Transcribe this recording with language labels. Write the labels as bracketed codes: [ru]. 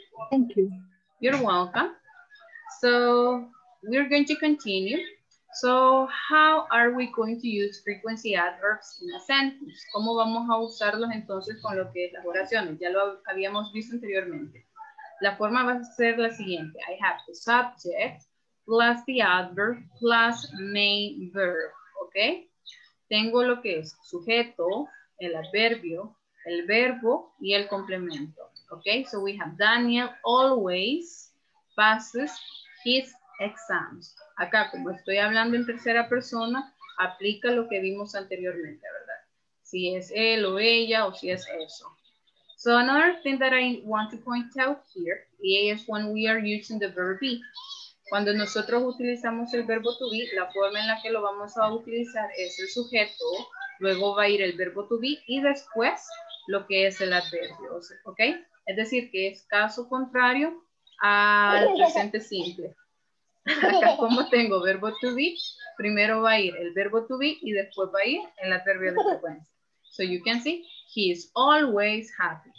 [en] Thank you. You're welcome. So, we're going to continue. So, how are we going to use frequency adverbs in a sentence? [es] ¿Cómo vamos a usarlos entonces con lo que es las oraciones? Ya lo habíamos visto anteriormente. La forma va a ser la siguiente. [en] I have the subject plus the adverb plus main verb. ¿Ok? [es] Tengo lo que es sujeto, el adverbio, el verbo y el complemento. ¿Ok? [en] So we have Daniel always passes his exams. [es] Acá, como estoy hablando en tercera persona, aplica lo que vimos anteriormente, ¿verdad? Si es él o ella o si es eso. [en] So another thing that I want to point out here is when we are using the verb be. [es] Cuando nosotros utilizamos el verbo to be, la forma en la que lo vamos a utilizar es el sujeto, luego va a ir el verbo to be y después lo que es el adverbio, ¿ok? Es decir, que es caso contrario al presente simple. Acá como tengo verbo to be, primero va a ir el verbo to be y después va a ir el adverbio de frecuencia. [en] So you can see, he is always happy.